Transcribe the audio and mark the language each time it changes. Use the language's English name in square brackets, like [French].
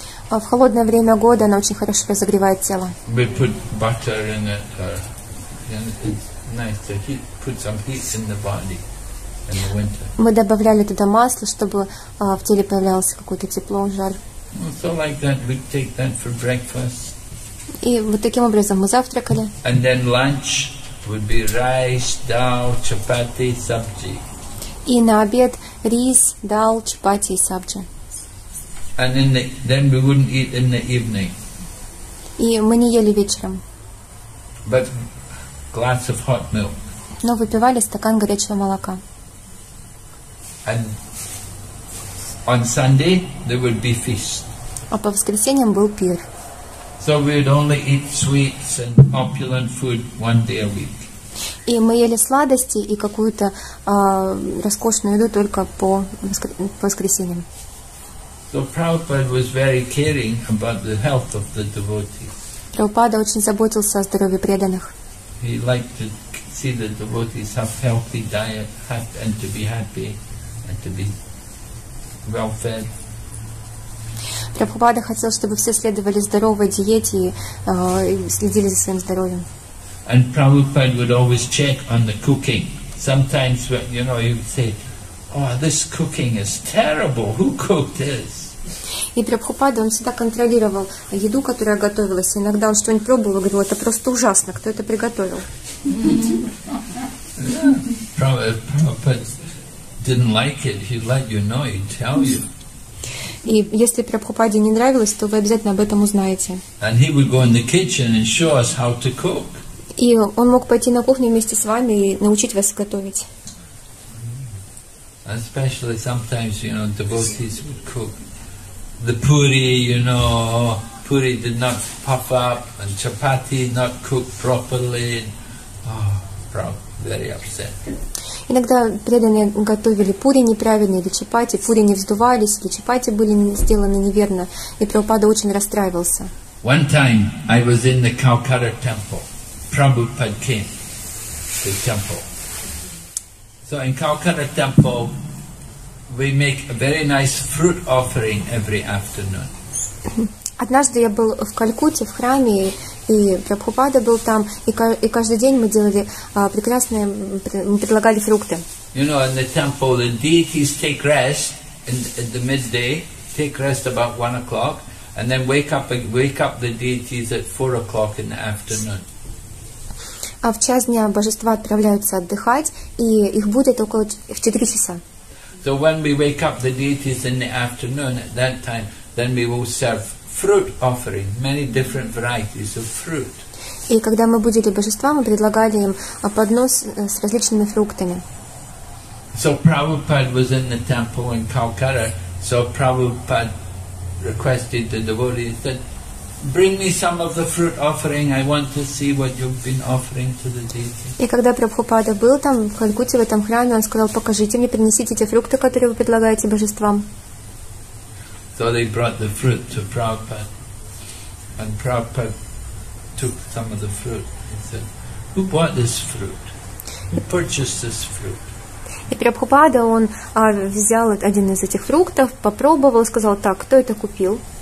[Russian] В холодное время года она очень хорошо разогревает тело. [English] We put butter in it, and it's nice to heat. Put some heat in the body. [Russian] Мы добавляли туда масло, чтобы в теле появлялось какое-то тепло, жар. [English] So like that, we'd take that for breakfast. [Russian] И вот таким образом мы завтракали. [English] And then lunch would be rice, dal, chapati, sabji. [Russian] И на обед рис, дал, чапати и сабджи. [English] And then we wouldn't eat in the evening. [Russian] И мы не ели вечером. [English] But glass of hot milk. [Russian] Но выпивали стакан горячего молока. [English] And on Sunday there would be feast. [Russian] А по воскресеньям был пир. [English] So we would only eat sweets and opulent food one day a week. [Russian] И мы ели сладости и какую-то роскошную еду только по воскресеньям. [English] So Prabhupada was very caring about the health of the devotees. [Russian] Прабхупада очень заботился о здоровье преданных. [English] He liked to see the devotees have healthy diet and to be happy. And to be well fed. [Russian] Прабхупада хотел, чтобы все следовали здоровой диете и следили за своим здоровьем. [English] And Prabhupada would always check on the cooking. Sometimes, you know, he would say, "Oh, this cooking is terrible. Who cooked this?" [Russian] И Прабхупада он всегда контролировал еду, которая готовилась. И иногда он что-нибудь пробовал и говорил: "Это просто ужасно. Кто это приготовил?" [English] Didn't like it, he'd let you know, he'd tell you. [Russian] И если Прабхупаде не нравилось, то вы обязательно об этом узнаете. [English] And he would go in the kitchen and show us how to cook. [Russian] И он мог пойти на кухню вместе с вами и научить вас готовить. [English] And especially sometimes, you know, devotees would cook the puri, you know, puri did not puff up and chapati not cooked properly. Oh, Prabhupada, very upset. [Russian] Иногда преданные готовили пури неправильно или чапати, пури не вздувались, или чапати были сделаны неверно, и Прабхупада очень расстраивался. [English] One time I was in the Calcutta temple. Prabhupada came to the temple. So in Calcutta temple we make a very nice fruit offering every afternoon. [Russian] Однажды я был в Калькутте, в храме, и Прабхупада был там, и каждый день мы делали прекрасные, мы предлагали фрукты. [English] You know, in the temple, the deities take rest in the midday, take rest about 1 o'clock, and then wake up the deities at 4 o'clock in the afternoon. [Russian] А в час дня божества отправляются отдыхать, и их будет около в 4 часа. [English] So when we wake up the deities in the afternoon at that time, then we will serve fruit offering, many different varieties of fruit. [Russian] И когда мы будили божества, мы предлагали им поднос с различными фруктами. [English] So Prabhupada was in the temple in Calcutta, so Prabhupada requested the devotees that bring me some of the fruit offering. I want to see what you've been offering to the deity. [Russian] И когда Прабхупада был там в Калькутте, в этом храме, он сказал: покажите мне, принесите те фрукты, которые вы предлагаете божествам. [English] So they brought the fruit to Prabhupada, and Prabhupada took some of the fruit. He said, "Who bought this fruit? Who purchased this fruit?" [Russian] И Прабхупада, он взял один из этих фруктов, попробовал, сказал: так, кто это купил?